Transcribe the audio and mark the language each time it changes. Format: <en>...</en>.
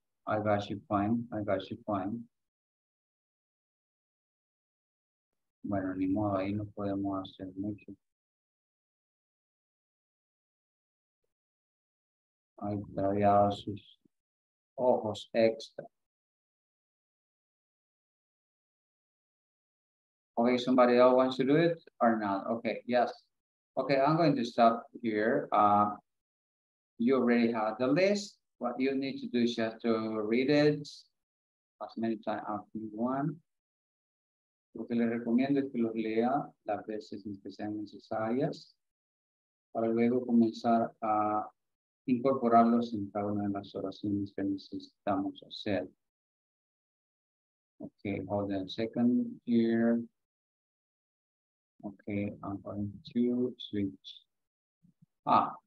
<en>I got you fine, I got you fine.</en> <es>Bueno, ni modo, ahí no podemos hacer mucho. Hay traviado sus ojos extra.</es> <en>Okay, somebody else wants to do it or not? Okay, yes. Okay, I'm going to stop here. You already have the list. What you need to do is just to read it as many times as you want.</en> <es>Lo que le recomiendo es que los lea las veces que sean necesarias para luego comenzar a incorporarlos en cada una de las oraciones que necesitamos hacer.</es> <en>Okay, hold on a second here. Okay, I'm going to switch.</en>